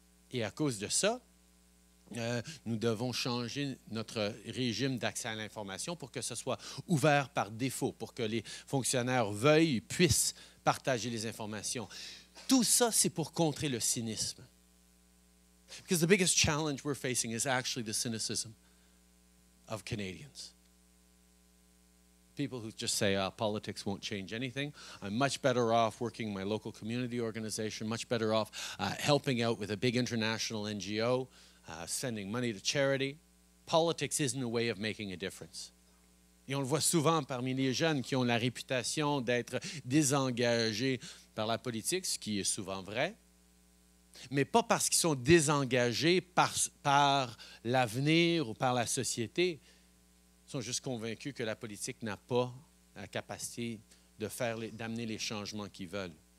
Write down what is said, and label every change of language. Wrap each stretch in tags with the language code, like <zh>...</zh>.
<fr>Et à cause de ça, nous devons changer notre régime d'accès à l'information pour que ce soit ouvert par défaut, pour que les fonctionnaires veuillent et puissent partager les informations. Tout ça, c'est pour contrer le cynisme.</fr> <en>Because the biggest challenge we're facing is actually the cynicism of Canadians. People who just say, politics won't change anything. I'm much better off working in my local community organization, much better off helping out with a big international NGO, sending money to charity. Politics isn't a way of making a difference.</en> <fr>Et on le voit souvent parmi les jeunes qui ont la réputation d'être désengagés par la politique, ce qui est souvent vrai. Mais pas parce qu'ils sont désengagés par l'avenir ou par la société. Ils sont juste convaincus que la politique n'a pas la capacité d'amener les changements qu'ils veulent.</fr>